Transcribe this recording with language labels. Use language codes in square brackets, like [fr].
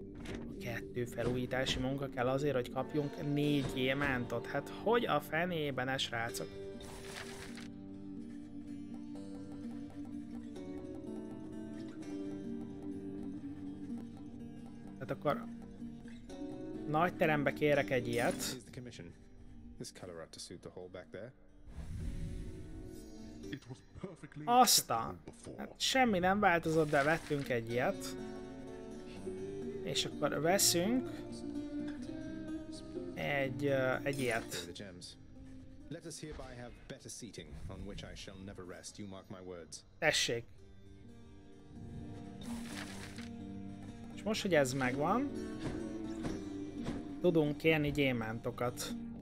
[hu] A kettő felújítási munka kell azért, hogy kapjunk 4 gyémántot. Hát hogy a fenében, srácok? Hát akkor nagy terembe kérek egy ilyet. [en] This color ought to suit the hole back there. It was perfectly before. [hu] Hát semmi nem változott, de vettünk egy ilyet. És akkor veszünk egy ilyet. [en] Let us hereby have better seating on which I shall never rest, you mark my words. [hu] Tessék. És most, hogy ez megvan, tudunk kérni gyémántokat.